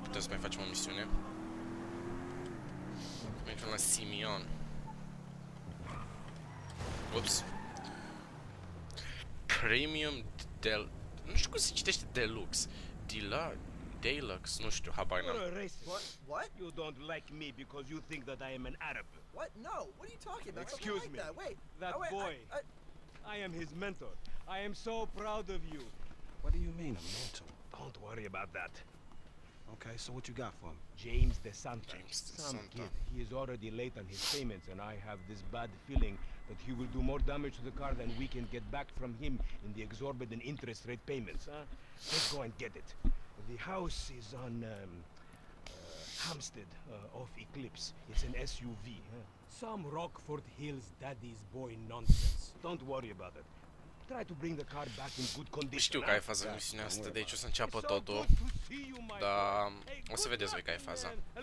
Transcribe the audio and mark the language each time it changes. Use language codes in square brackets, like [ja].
[ro] Putem să mai facem o misiune. Mergem la Simeon. Ups. Premium del... Nu știu cum se citește deluxe. Deluxe. Deluxe, nu știu, habar n-am. [en] What? You don't like me because you think that I am an Arab. What? No, what are you talking about? Excuse me. Like that wait, boy. I am his mentor. I am so proud of you. What do you mean, a mentor? Don't worry about that. Okay, so what you got for him? James de Santa. James de Santa. Kid. He is already late on his payments and I have this bad feeling that he will do more damage to the car than we can get back from him in the exorbitant interest rate payments. Let's go and get it. The house is on Hampstead, off Eclipse. It's an SUV. Some Rockford Hills daddy's boy nonsense. Don't worry about it. Try to bring the car back in good condition. [ro] Știu că e faza misiunea asta, deci o să înceapă totul. Da, o să vedeți voi că e faza.